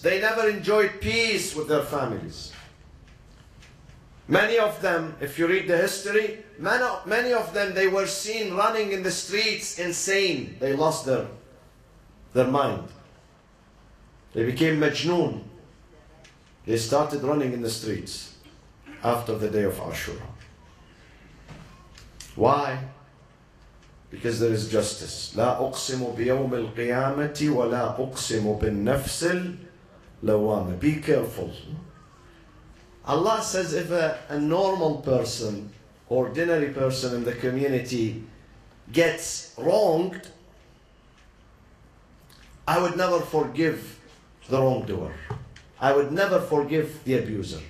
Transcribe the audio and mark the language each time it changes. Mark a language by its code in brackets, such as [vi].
[en] They never enjoyed peace with their families. Many of them, if you read the history, many of them, they were seen running in the streets, insane. They lost their mind. They became majnoon. They started running in the streets after the day of Ashura. Why? Because there is justice. [ar] لا أقسم بيوم القيامة ولا أقسم بالنفس اللوامة. [en] Be careful. Allah says if a normal person, ordinary person in the community gets wronged, I would never forgive the wrongdoer. I would never forgive the abuser.